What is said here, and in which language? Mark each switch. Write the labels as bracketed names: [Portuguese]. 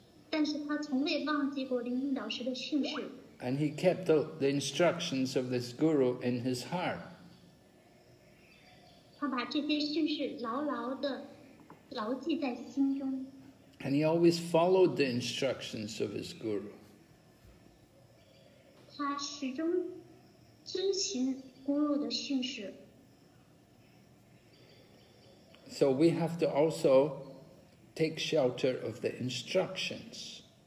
[Chinese] 但是他从未忘记过灵云导师的训示。 [English] And he kept the instructions of this guru in his heart. [Chinese] 他把这些训示牢牢地牢记在心中。 [English] And he always followed the instructions of his guru. [Chinese] 他始终遵行guru的训示。 [English] So we have to also take shelter of the instructions.